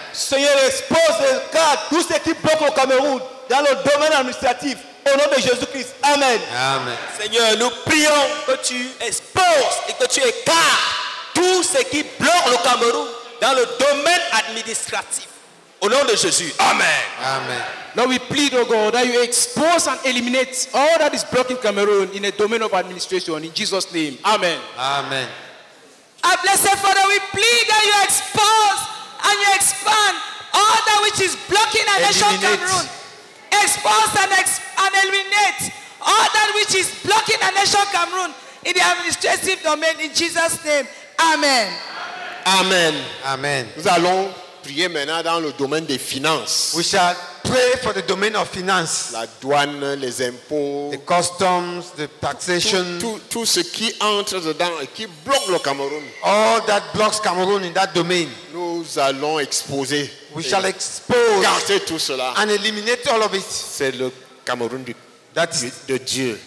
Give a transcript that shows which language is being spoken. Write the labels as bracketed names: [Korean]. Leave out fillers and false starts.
[French] Seigneur, expose et écarte tout ce qui bloque le Cameroun dans le domaine administratif. Au nom de Jésus-Christ, amen. Amen. Seigneur, nous prions que tu exposes et que tu écartes tout ce qui bloque le Cameroun dans le domaine administratif. Au nom de Jésus. Amen. Amen. [English] Now we plead, oh God, that you expose and eliminate all that is blocking Cameroon in the domain of administration. In Jesus' name. Amen. Amen. Our blessed Father, we plead that you expose and you expand all that which is blocking our nation, Cameroon. Expose and eliminate all that which is blocking our nation, Cameroon, in the administrative domain. In Jesus' name. Amen. Amen. Amen. [French] Nous allons prier maintenant dans le domaine des finances. [English] We shall pray for the domain of finance. [French] La douane, les impôts, [English] the customs, the taxation. [French] Tout ce qui entre dedans et qui bloque le Cameroun. [English] All that blocks Cameroon in that domain. [French] Nous allons exposer. [English] We shall expose. [French] Garder tout cela. [English] And eliminate all of it. [French] C'est le Cameroun du. De Dieu.